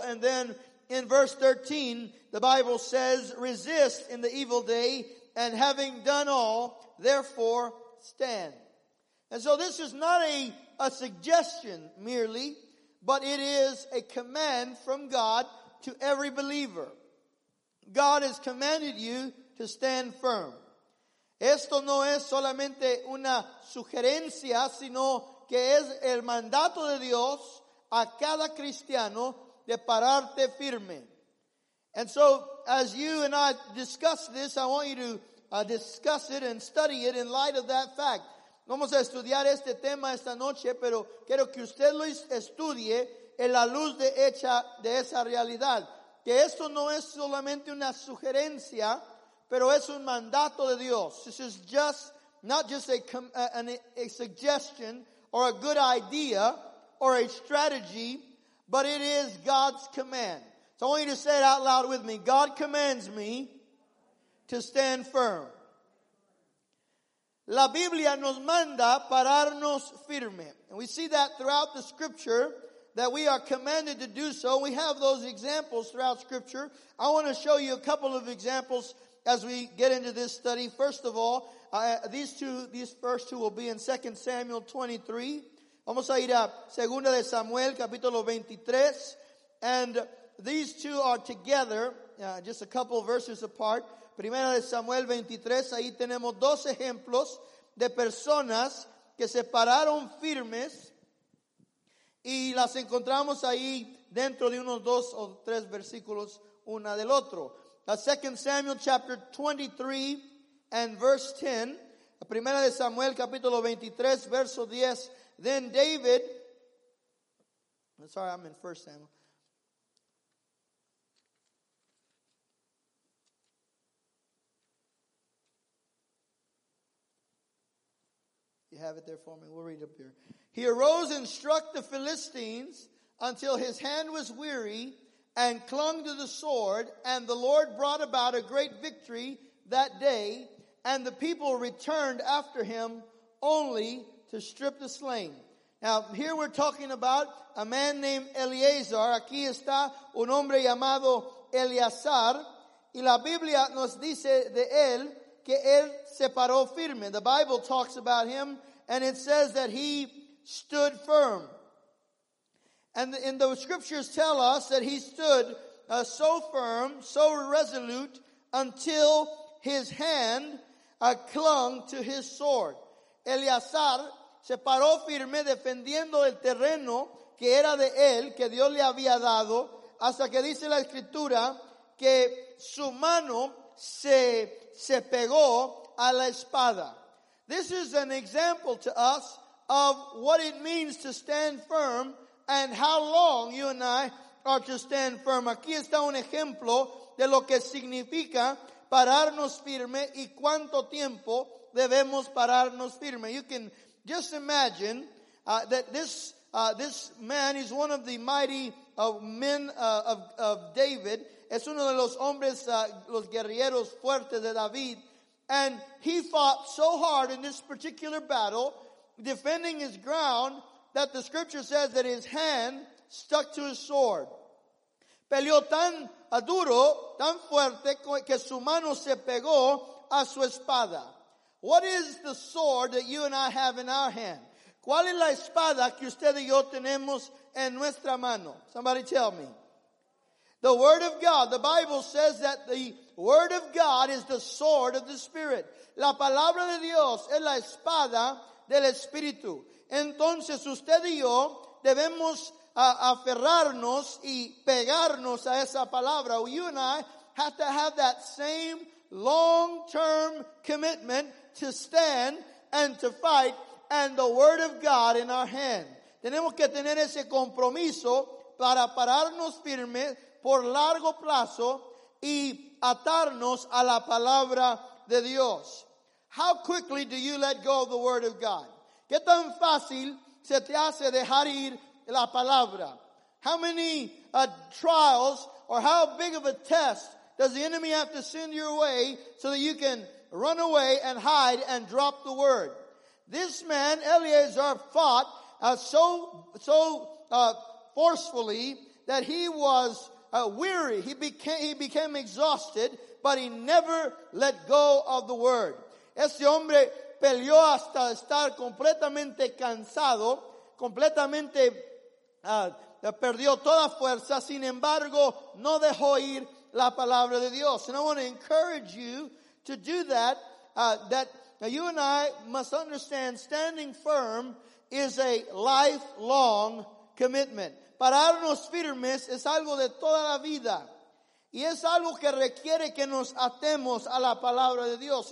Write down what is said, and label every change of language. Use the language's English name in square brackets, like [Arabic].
[English] And then in verse 13, the Bible says, resist in the evil day, and having done all, therefore stand. And so this is not a suggestion merely, but it is a command from God to every believer. God has commanded you to stand firm. [Spanish] Esto no es solamente una sugerencia, sino que es el mandato de Dios a cada cristiano de pararte firme. [English] And so, as you and I discuss this, I want you to discuss it and study it in light of that fact. [Spanish] Vamos a estudiar este tema esta noche, pero quiero que usted lo estudie en la luz de hecha de esa realidad, que esto no es solamente una sugerencia, pero es un mandato de Dios. [English] This is not just a suggestion or a good idea or a strategy, but it is God's command. So I want you to say it out loud with me. God commands me to stand firm. [Spanish] La Biblia nos manda pararnos firme. [English] And we see that throughout the scripture, that we are commanded to do so. We have those examples throughout Scripture. I want to show you a couple of examples as we get into this study. First of all, these first two will be in 2 Samuel 23. [Spanish] Vamos a ir a Segunda de Samuel, capítulo 23. [English] And these two are together, just a couple of verses apart. [Spanish] Primera de Samuel 23, ahí tenemos dos ejemplos de personas que se pararon firmes y las encontramos ahí dentro de unos dos o tres versículos una del otro. [English] 2 Samuel chapter 23 and verse 10. [Spanish] Primera de Samuel capítulo 23, verso 10. [English] Then David, sorry, I'm in 1 Samuel. You have it there for me. We'll read up here. He arose and struck the Philistines until his hand was weary and clung to the sword. And the Lord brought about a great victory that day. And the people returned after him only to strip the slain. Now, here we're talking about a man named Eleazar. [Spanish] Aquí está un hombre llamado Eleazar. Y la Biblia nos dice de él que él se paró firme. [English] The Bible talks about him. And it says that he stood firm. And the scriptures tell us that he stood so firm, so resolute, until his hand clung to his sword. [Spanish] Eleazar se paró firme defendiendo el terreno que era de él, que Dios le había dado, hasta que dice la escritura que su mano se pegó a la espada. [English] This is an example to us of what it means to stand firm and how long you and I are to stand firm. [Spanish] Aquí está un ejemplo de lo que significa pararnos firme y cuánto tiempo debemos pararnos firme. [English] You can just imagine that this man is one of the mighty men of David. [Spanish] Es uno de los hombres, los guerreros fuertes de David. [English] And he fought so hard in this particular battle, defending his ground, that the scripture says that his hand stuck to his sword. [Spanish] Peleó tan duro, tan fuerte, que su mano se pegó a su espada. [English] What is the sword that you and I have in our hand? [Spanish] ¿Cuál es la espada que usted y yo tenemos en nuestra mano? [English] Somebody tell me. The Word of God. The Bible says that the Word of God is the sword of the Spirit. [Spanish] La palabra de Dios es la espada del Espíritu. Entonces usted y yo debemos aferrarnos y pegarnos a esa palabra. [English] You and I have to have that same long-term commitment to stand and to fight and the Word of God in our hand. [Spanish] Tenemos que tener ese compromiso para pararnos firme por largo plazo y atarnos a la palabra de Dios. [English] How quickly do you let go of the Word of God? [Spanish] ¿Qué tan fácil se te hace dejar ir la palabra? [English] How many trials or how big of a test does the enemy have to send your way so that you can run away and hide and drop the Word? This man, Eleazar, fought so forcefully that he was weary. He became exhausted, but he never let go of the Word. [Spanish] Este hombre peleó hasta estar completamente cansado, completamente perdió toda fuerza, sin embargo, no dejó ir la palabra de Dios. [English] And I want to encourage you to do that, that you and I must understand standing firm is a lifelong commitment. [Spanish] Pararnos firmes es algo de toda la vida. Y es algo que requiere que nos atemos a la palabra de Dios.